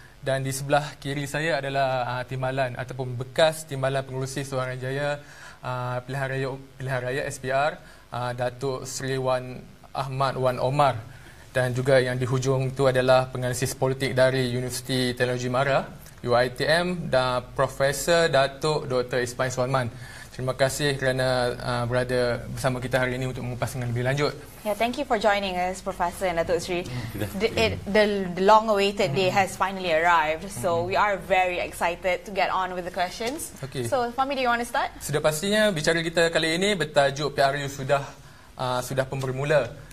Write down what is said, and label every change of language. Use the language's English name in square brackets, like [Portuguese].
[Malay] Dan di sebelah kiri saya adalah timbalan ataupun bekas timbalan pengerusi Suruhanjaya Jaya pilihan raya SPR, Datuk Sri Wan Ahmad Wan Omar. Dan juga yang di hujung itu adalah penganalisis politik dari Universiti Teknologi MARA, UiTM, dan Profesor Datuk Dr. Ismail Suwanman. Terima kasih kerana berada bersama kita hari ini untuk mengupas dengan lebih lanjut. [English] Yeah, thank you for joining us, Professor and Datuk Sri. The long-awaited day has finally arrived, so we are very excited to get on with the questions. Okay. So, Fahmi, do you want to start? [Malay] Sudah pastinya bicara kita kali ini bertajuk PRU sudah pun bermula.